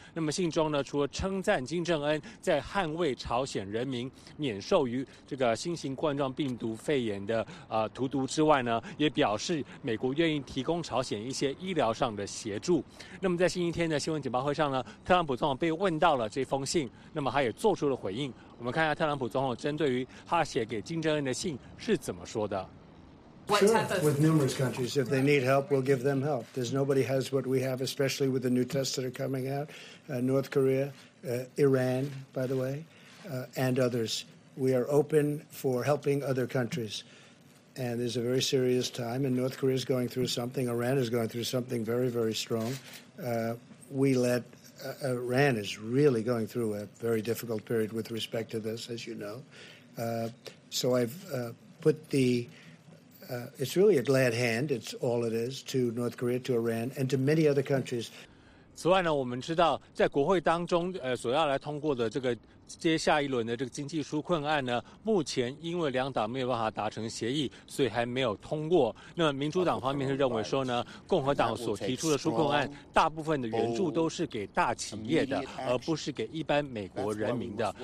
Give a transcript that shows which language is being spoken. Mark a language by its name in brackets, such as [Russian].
[Chinese] 那么信中呢，除了称赞金正恩在捍卫朝鲜人民免受于这个新型冠状病毒肺炎的荼毒之外呢，也表示美国愿意提供朝鲜一些医疗上的协助。那么在星期天的新闻简报会上呢，特朗普总统被问到了这封信，那么他也做出了回应。我们看一下特朗普总统针对于他写给金正恩的信是怎么说的。 [English] Sure, with numerous countries, if they need help, we'll give them help. There's nobody has what we have, especially with the new tests that are coming out. North Korea, Iran, by the way, and others. We are open for helping other countries. And it's a very serious time, and North Korea is going through something. Iran is going through something very, very strong. Iran is really going through a very difficult period with respect to this, as you know. It's really a glad hand, it's all it is, to North Korea, to Iran, and to many other countries. [Chinese] 此外呢，我们知道在国会当中所要来通过的这个接下一轮的这个经济纾困案呢，目前因为两党没有办法达成协议，所以还没有通过。那民主党方面是认为说呢，共和党所提出的纾困案大部分的援助都是给大企业的，而不是给一般美国人民的。